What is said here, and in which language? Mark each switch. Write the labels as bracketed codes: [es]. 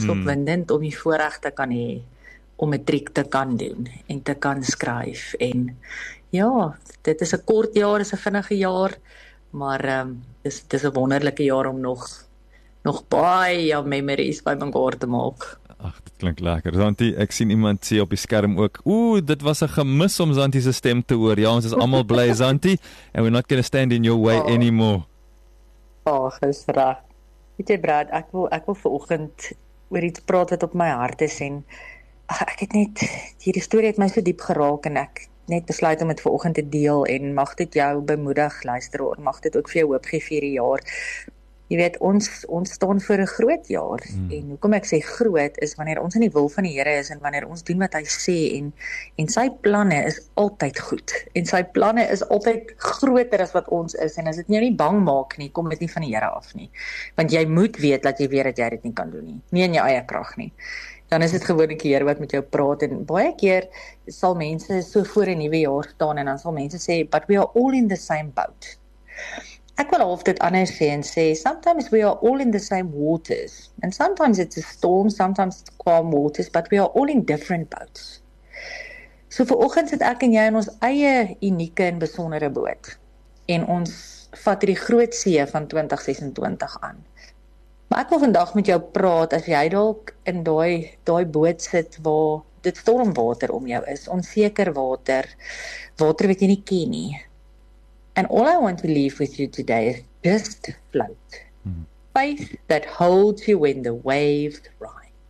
[af] Dit is opwindend om die voorreg te kan hê om matriek te kan doen en te kan skryf en ja, dit is 'n kort jaar, is 'n vinnige jaar, maar dis 'n wonderlike jaar om nog baie memories bymekaar te maak. Ag, dit klink lekker. Zanti, ek sien iemand sê op die skerm ook, dit was 'n gemis om Zanti se stem te hoor. Ja, ons is almal bly, [en] Zanti, and we're not going to stand in your way anymore. [af] Ag, is reg. Weet jy, Brad, ek wil vanoggend oor iets praat wat op my hart is en ek het net, hierdie storie het my so diep geraak en ek net besluit om dit vanoggend te deel en mag dit jou bemoedig, luisteraar, mag dit ook vir jou hoop gee vir hierdie jaar. Jy weet, ons staan voor 'n groot jaar en hoekom ek sê groot is wanneer ons in die wil van die Here is en wanneer ons doen wat hy sê en sy planne is altyd goed en sy planne is altyd groter as wat ons is en as dit jou nie bang maak nie, kom dit nie van die Here af nie. Want jy moet weet dat jy weet dat jy dit nie kan doen nie, nie in jou eie krag nie. Dan is dit gewoonlik die Here wat met jou praat en baie keer sal mense so voor 'n nuwe jaar staan en dan sal mense sê, [en] but we are all in the same boat. [af] Ek wil half dit anders sê en sê, [en] sometimes we are all in the same waters and sometimes it's a storm, sometimes it's calm waters, but we are all in different boats. [af] So vanoggend sit ek en jy in ons eie unieke en besondere boot en ons vat die groot see van 2026 aan. Maar ek wil vandag met jou praat as jy dalk in daai boot sit waar dit stormwater om jou is, onseker water, water wat jy nie ken nie. [en] And all I want to leave with you today is just float. Faith that holds you when the waves rise.